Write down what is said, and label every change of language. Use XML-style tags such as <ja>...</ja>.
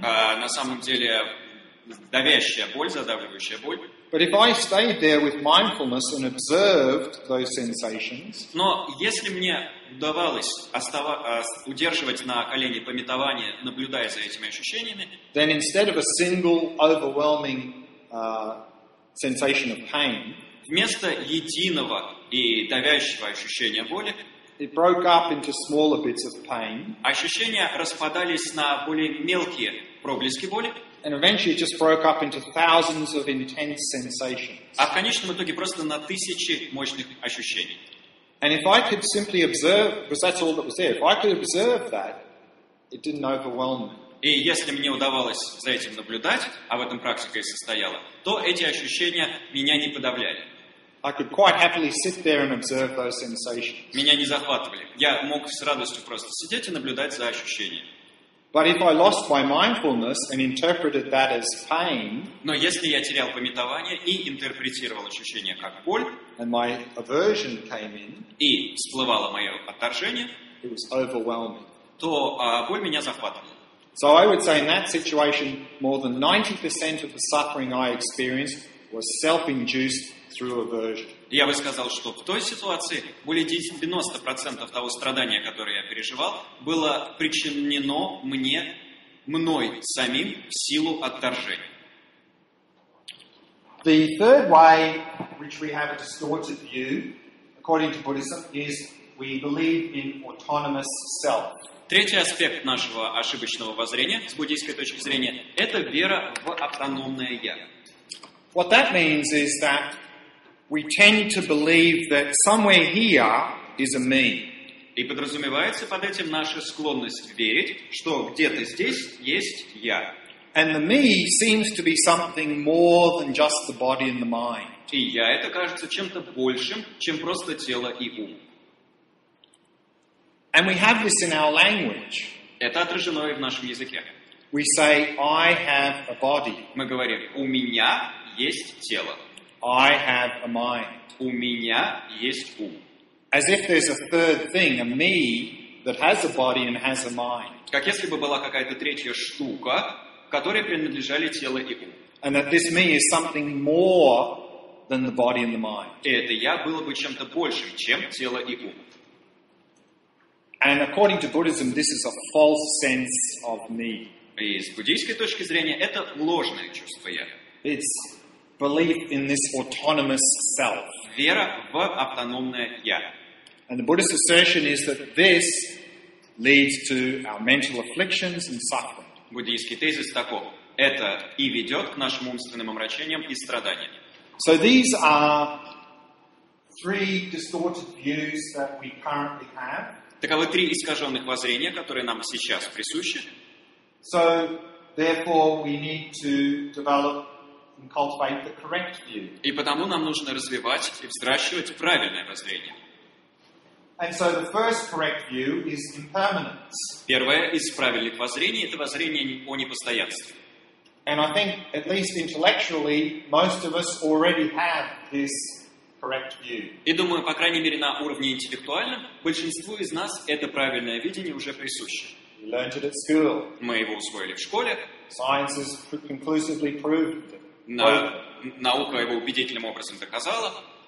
<ru>На самом деле, давящая боль, задавливающая боль.</ru> <en>But if I stayed there with mindfulness and observed those sensations.</en> <ru>Но если мне удавалось удерживать на колене памятование, наблюдая за этими ощущениями,</ru> <en>then instead of a single overwhelming sensation of pain.</en> <ru>Вместо единого и давящего ощущения боли,</ru> <en>it broke up into smaller bits of pain.</en> <ru>Ощущения распадались на более мелкие проблески боли.</ru> <en>And eventually it just broke up into thousands of intense sensations.</en> <ru>А в конечном итоге просто на тысячи мощных ощущений.</ru> <en>And if I could simply observe, because that's all that was there, if I could observe that, it didn't overwhelm me.</en> <ru>И если мне удавалось за этим наблюдать, а в этом практика и состояла, то эти ощущения меня не подавляли.</ru> <en>I could quite happily sit there and observe those sensations.</en> <ru>Меня не захватывали. Я мог с радостью просто сидеть и наблюдать за ощущениями.</ru> <en>But if I lost my mindfulness and interpreted that as pain,</en> <ru>но если я терял памятование и интерпретировал ощущение как боль,</ru> <en>and my aversion came in,</en> <ru>и всплывало мое отторжение,</ru> <en>it was overwhelming.</en> <ru>То боль меня захватывала.</ru> <en>So I would say in that situation, more than 90% of the suffering I experienced was self-induced through aversion.</en> <ru>Я бы сказал, что в той ситуации более 90% того страдания, которое я переживал, было причинено мной самим в силу отторжения.</ru> <en>The third way, which we have a distorted view, according to Buddhism, is we believe in autonomous self.</en> <ru>Третий аспект нашего ошибочного воззрения, с буддийской точки зрения, это вера в автономное «я».</ru> <en>What that means is that we tend to believe that somewhere here is a me.</en> <ru>И подразумевается под этим наша склонность верить, что где-то здесь есть «я».</ru> <en>And the me seems to be something more than just the body and the mind.</en> <ru>И «я» это кажется чем-то большим, чем просто тело и ум.</ru> <en>And we have this in our language.</en> <ru>Это отражено и в нашем языке.</ru> <en>We say, I have a body.</en> <ru>Мы говорим, у меня есть тело.</ru> <en>I have a mind.</en> <ru>У меня есть ум.</ru> <en>As if there's a third thing, a me, that has a body and has a mind.</en> <ru>Как если бы была какая-то третья штука, которой принадлежали тело и ум.</ru> <en>And that this me is something more than the body and the mind.</en> <ru>И это я было бы чем-то большим, чем тело и ум.</ru> <en>And according to Buddhism, this is a false sense of me.</en> <ru>И с буддийской точки зрения, это ложное чувство я.</ru> <en>It's belief in this autonomous self.</en> <ru>Вера в автономное я.</ru> <en>And the Buddhist assertion is that this leads to our mental afflictions and suffering.</en> <ru>Буддийский тезис таков. Это и ведет к нашим умственным омрачениям и страданиям.</ru> <en>So these are three distorted views that we currently have.</en> <ru>Таковы три искаженных воззрения, которые нам сейчас присущи.</ru> <en>So therefore we need to develop and cultivate the correct view.</en> <ru>И потому нам нужно развивать и взращивать правильное воззрение.</ru> <en>And so the first correct view is impermanence.</en> <ru>Первое из правильных воззрений это воззрение о непостоянстве.</ru> <en>And I think at least intellectually most of us already have this correct view.</en> <ru>И думаю, по крайней мере на уровне интеллектуальном большинству из нас это правильное видение уже присуще.</ru> <en>We learned it at school.</en> <ru>Мы его усвоили в школе.</ru> <en>Science has conclusively proved it.</en> <ru>Наука его убедительным образом доказала.</ru>